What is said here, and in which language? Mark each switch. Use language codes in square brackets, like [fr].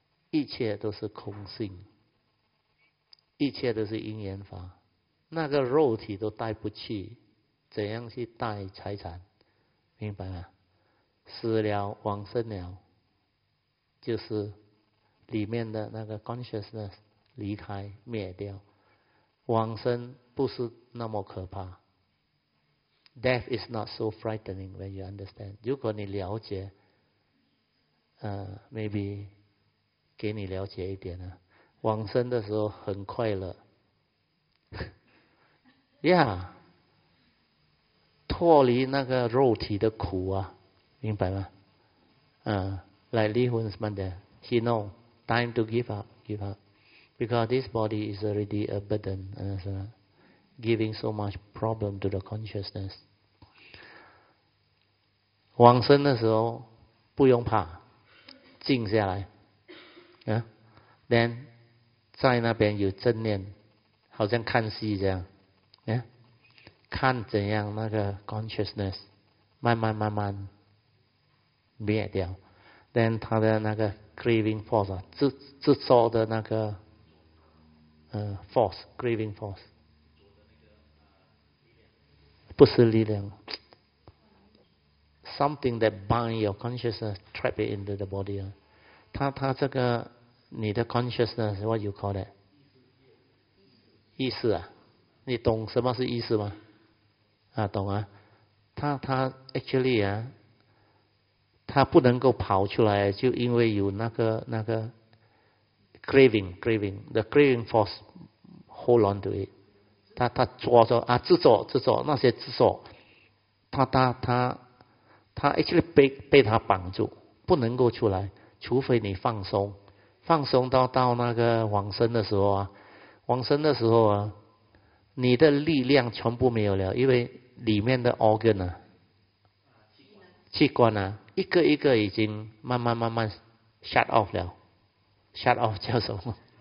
[zh] 一切都是空性，一切都是因缘法，那个肉体都带不去，怎样去带财产？明白吗？死了往生了，就是里面的那个 consciousness 离开灭掉，往生不是那么可怕。 [en] Death is not so frightening when you understand. [zh] 如果你了解，maybe 给你了解一点啊。往生的时候很快乐，Yeah， 脱离那个肉体的苦啊，明白吗？ [en] Like Li Hun's mother, he know time to give up, because this body is already a burden, giving so much problem to the consciousness. [zh] 往生的时候不用怕，静下来，then 在那边有正念，好像看戏这样，看怎样那个 consciousness 慢慢灭掉 ，then 他的那个 craving force 制造的那个force craving force， 不是力量。 [en] Something that bind your consciousness, trap it into the body. [zh] 他这个你的 [en] consciousness, what you call that? [zh] 意识啊，你懂什么是意识吗？懂啊。他 actually 啊，他不能够跑出来，就因为有那个 craving, [en] the craving force hold on to it. [zh] 他抓着啊，制造那些制造，他 actually 被他绑住，不能够出来，除非你放松，放松到那个往生的时候啊，往生的时候啊，你的力量全部没有了，因为里面的 organ 啊，器官啊，一个一个已经慢慢 shut off 了， shut off 叫什么？